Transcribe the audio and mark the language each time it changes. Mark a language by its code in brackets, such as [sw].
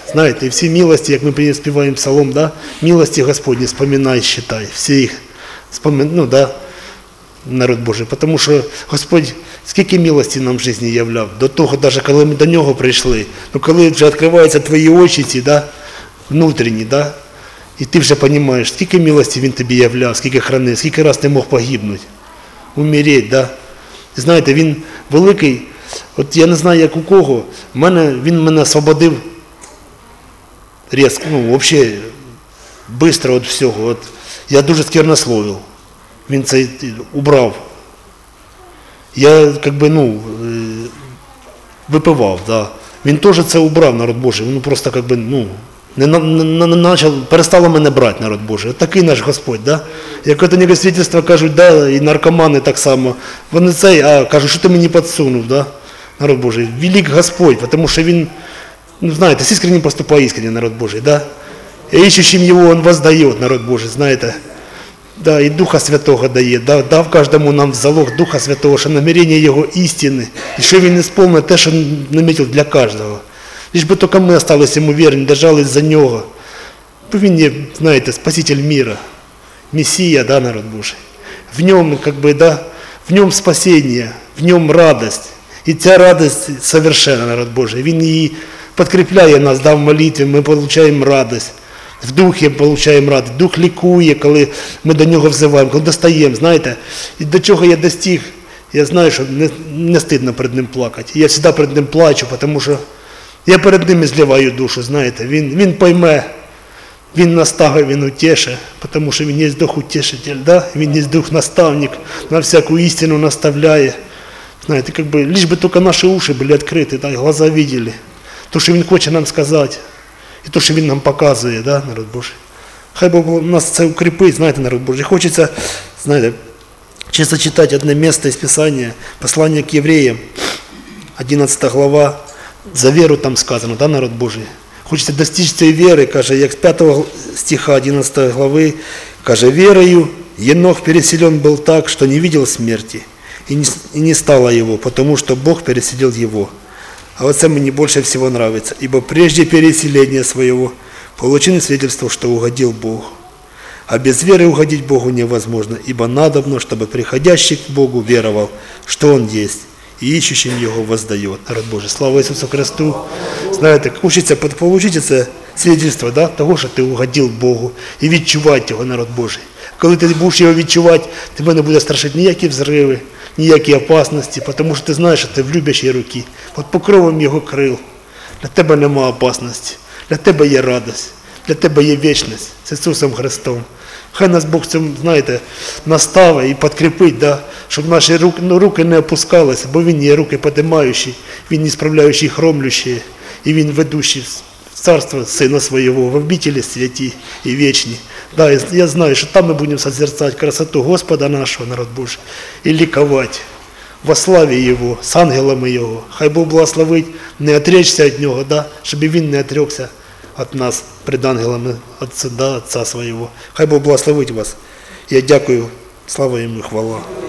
[uk] Знаєте, і всі милості, як ми співаємо псалом, да? Милості Господні, [ru] вспоминай, считай, [uk] всі їх, ну, да, народ Божий. [ru] Потому що [uk] Господь скільки милості нам в житті являв, до того, навіть коли ми до Нього прийшли, ну, коли вже відкриваються твої очі ці, да, внутрішні, да? [ru] И ты уже понимаешь, сколько милости Він тебе являл, сколько хранил, сколько раз ты мог погибнуть, умереть, да. Знаете, Він великий, вот я не знаю, как у кого, Він меня освободил резко, ну, вообще, быстро от всего. [uk] От, я дуже сквернословил, Він це убрав. [ru] Я, как бы, ну, випивав, да. [uk] Він тоже це убрав, народ Божий, ну, просто, как бы, ну, начал, перестало мене брати, народ Божий. Такий наш Господь, да? Як от ніби свідчення кажуть, да, і наркомани так само. Вони цей, а кажуть, що ти мені підсунув, да? Народ Божий, велик Господь, тому що Він, ну, знаєте, з іскренним поступає іскренне, народ Божий, да? І іщущим Його Він воздає, народ Божий, знаєте? Да, і Духа Святого дає, да? Дав кожному нам в залог Духа Святого, що намірення Його істини, і що Він сповнить те, що намітив для кожного. [ru] Лишь бы только мы остались Ему верны, держались за Него. [uk] Він є, знаєте, Спаситель мира, Мессия, да, народ Божий. [ru] В Нем, как бы, да, в Нем спасение, в Нем радость. И ця радость совершенна, народ Божий. [uk] Він її подкрепляє нас, да, в молитві, ми получаємо радость. В Духе получаємо радость. Дух лікує, коли ми до Нього взиваємо, коли достаємо, знаєте. І до чого я достиг, я знаю, що не стыдно перед Ним плакати. Я завжди перед Ним плачу, тому що я перед ним зливаю душу, знаєте, він пойме, він наставить, він утеше, тому що він є дух утішитель, да? Він є дух наставник, на всяку істину наставляє. Знаєте, как бы, лишь бы только наші уши були відкриті, да, глаза видели, то, що він хоче нам сказати, і то, що він нам показує, да, народ Божий. Хай Бог нас це укріпить, знаєте, народ Божий, хочеться, знаєте, чисто читати одне місце із Писання, послання к євреям, 11 глава. [ru] За веру там сказано, да, народ Божий? [uk] Хочеться достичь цієї веры, каже, як з 5 стиха 11 глави, каже, [ru] верою Енох переселен был так, что не видел смерти, и не стало его, потому что Бог переселил его. [uk] А вот це мені [ru] больше всего нравится, ибо прежде переселения своего получил свидетельство, что угодил Бог. А без веры угодить Богу невозможно, ибо надобно, чтобы приходящий к Богу веровал, что Он есть. И ищущим Его воздает, народ Божий. Слава Иисусу Христу. Знаете, учиться, получить это свидетельство, да, того, что ты угодил Богу. [uk] И відчувати Его, народ Божий. [ru] Коли ты будешь Его відчувати, [uk] тебе не буде страшить ніякі взрывы, ніякі опасности, [ru] потому что ты знаешь, что ты в любящей руке. Под покровом Его крил. Для тебе нема опасности. [uk] Для тебе є радость. Для тебе є вечность с Иисусом Христом. Хай нас Бог цим, знаєте, настави і підкріпить, да? Щоб наші руки, ну, руки не опускалися, бо Він є руки підіймаючі, Він є справляючі і хромлющі, і Він ведучий в царство Сина Своєго, в обителі святі і вічні. Да, я знаю, що там ми будемо созерцати красоту Господа нашого, народ Божий, і лікувати во славі Його, з ангелами Його. Хай Бог благословить, не отречься від Нього, да? Щоб Він [ru] не отрекся от нас, пред ангелами Отца, [uk] да, Отца Своего. Хай Бог благословить вас. Я дякую, слава Ему и хвала.